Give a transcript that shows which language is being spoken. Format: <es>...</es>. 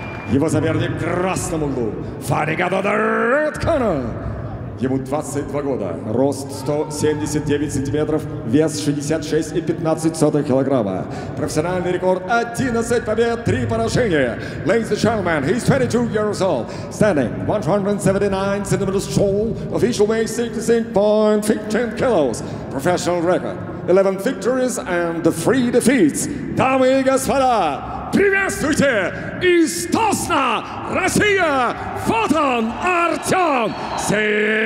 <ru>Его соперник в красном углу,</ru> <en>fighting out of the red corner.</en> <ru>Ему 22 года, рост 179 сантиметров, вес 66,15 килограмма. Профессиональный рекорд 11 побед, 3 поражения.</ru> <en>Ladies and gentlemen, he's 22 years old, standing 179 centimeters tall, official weight 66.15 kilos, professional record. 11 victories and 3 defeats.</en> <ru>Дамы и господа, приветствуйте из Тосна, Россия, вот он, Артем Семенов.</ru>